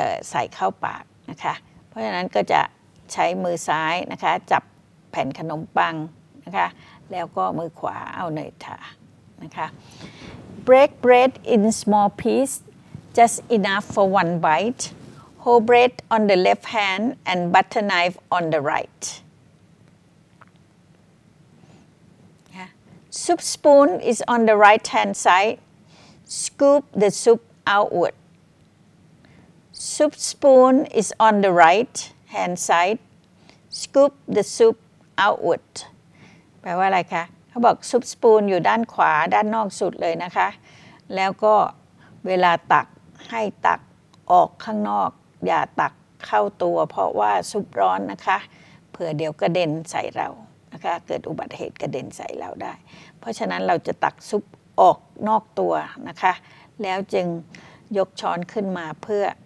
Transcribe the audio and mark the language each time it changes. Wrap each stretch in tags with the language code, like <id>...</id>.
<th>ใส่เข้าปากนะคะเพราะฉะนั้นก็จะใช้มือซ้ายนะคะจับแผ่นขนมปังนะคะแล้วก็มือขวาเอาเนยทานะคะ</th> <en>break bread in small pieceJust enough for one bite. Whole bread on the left hand and butter knife on the right. Yeah. Soup spoon is on the right hand side. Scoop the soup outward. Soup spoon is on the right hand side. Scoop the soup outward.</en> <th>แปลว่าอะไรคะเขาบอกซุปสปูนอยู่ด้านขวาด้านนอกสุดเลยนะคะแล้วก็เวลาตักให้ตักออกข้างนอกอย่าตักเข้าตัวเพราะว่าซุปร้อนนะคะเผื่อเดี๋ยวกระเด็นใส่เรานะคะเกิดอุบัติเหตุกระเด็นใส่เราได้เพราะฉะนั้นเราจะตักซุปออกนอกตัวนะคะแล้วจึงยกช้อนขึ้นมาเพื่อ</th>